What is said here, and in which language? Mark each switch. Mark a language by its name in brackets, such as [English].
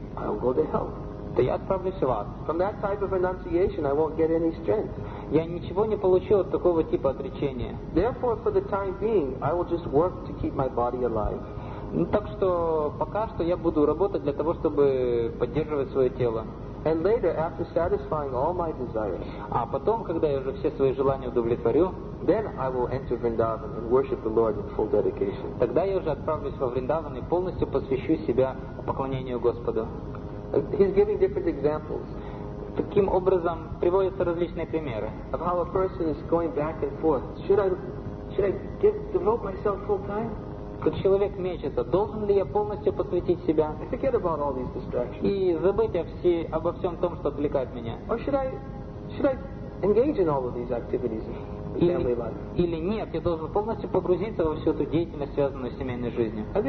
[English] I will go to hell. [Russian] то я отправлюсь в ад. [English] From that type of renunciation, I won't get any strength. [Russian] Я ничего не получил от такого типа отречения. [English] Therefore, for the time being, I will just work to keep my body alive. [Russian] Ну, так что пока что я буду работать для того, чтобы поддерживать свое тело. [English] And later, after satisfying all my desires, [Russian] а потом, когда я уже все свои желания удовлетворю, [English] then I will enter Vrindavan and worship the Lord in full dedication. [Russian] Тогда я уже отправлюсь во Вриндаван и полностью посвящу себя поклонению Господу. [English] He's giving different examples. [Russian] Таким образом приводятся различные примеры. [English] Of how a person is going back and forth. Should I devote myself full time? [Russian] Как человек мечется, должен ли я полностью посвятить себя? [English] Forget about all these distractions. [Russian] И забыть обо всем том, что отвлекает меня. [English] Or should I engage in all of these activities? [Russian] Или нет, я должен полностью погрузиться во всю эту деятельность, связанную с семейной жизнью.